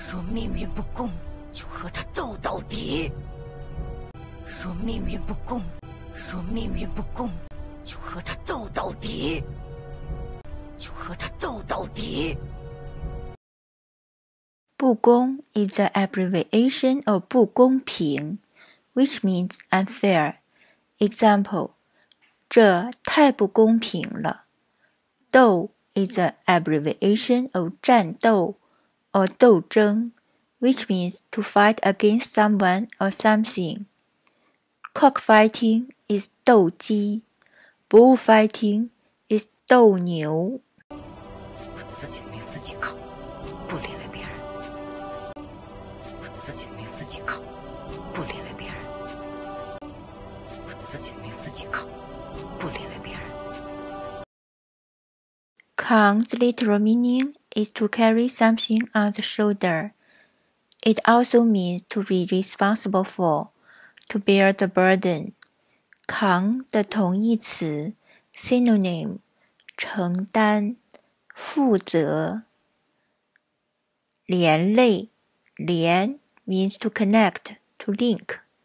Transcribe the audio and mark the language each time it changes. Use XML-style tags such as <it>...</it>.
<zh>命运不公，就和他斗到底。若命运不公，若命运不公，就和他斗到底，就和他斗到底。</zh> <en>不公 is an abbreviation of 不公平 which means unfair. Example,</en> <zh>这太不公平了。</zh> <en>斗 is an abbreviation of 战斗 or 斗争。 Which means to fight against someone or something. Cockfighting is 斗鸡 Bullfighting is 斗牛。</en> <zh>我自己命自己扛，不连累别人。我自己命自己扛，不连累别人。我自己命自己扛，不连累别人。</zh> <en>Kang's literal meaning is to carry something on the shoulder. It also means to be responsible for, to bear the burden.</en> <zh>扛的同义词</zh> <en>synonym, 承担负责连累连 means to connect, to link.</en>